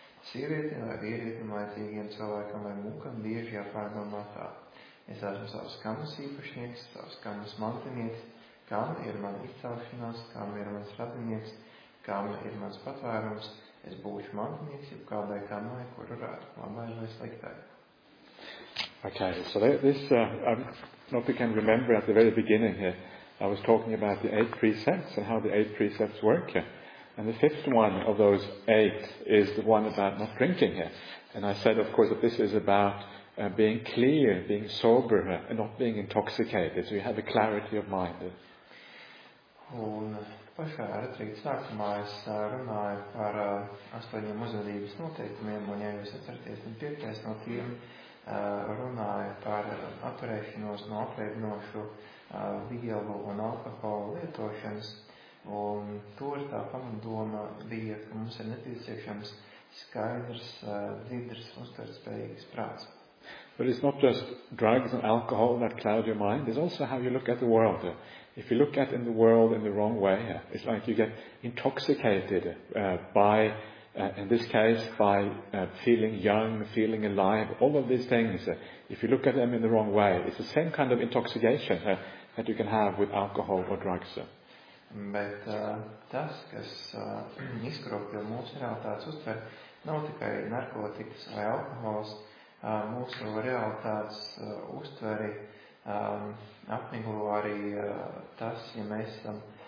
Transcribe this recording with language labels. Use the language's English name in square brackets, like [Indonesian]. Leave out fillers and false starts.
[Latvian] Sievietē vai vīrietim, laicīgiem cilvēkam vai mūkam, bieži jāpārdomā tā. Es esmu savas kamas īpašnieks, savas kamas mantinieks, kam ir mani izcelšanās, kam ir mans radinieks, kam ir mans patvērums, es būšu mantinieks, jau kādai kamai, kuru rādu, labai vai sliktai. [English] Okay, so this, I hope you can remember at the very beginning here, I was talking about the eight precepts and how the eight precepts work here. And the fifth one of those eight is the one about not drinking here. And I said, of course, that this is about being clear, being sober, and not being intoxicated, so you have a clarity of mind. [Latvian] Un pašā retrīta sākumā es runāju par astoņiem uzvedības noteikumiem, un ja jūs atceraties, un piektais no tiem runāju par atturēšanos no apreibinošu vielu un alkoholu lietošanas, un tur tā pamatdoma bija, ka mums ir nepieciešams skaidrs, dzidrs, uztvertspējīgs prāts. [English] But it's not just drugs and alcohol that cloud your mind. It's also how you look at the world. If you look at in the world in the wrong way, it's like you get intoxicated by, in this case, by feeling young, feeling alive, all of these things. If you look at them in the wrong way, it's the same kind of intoxication that you can have with alcohol or drugs. [Latvian] But tas, kas izkropļo mūsu realitātes uztver, nav tikai narkotikas vai alkohols, mūsu realitātes uztveri apmiglo arī tas, ja mēs esam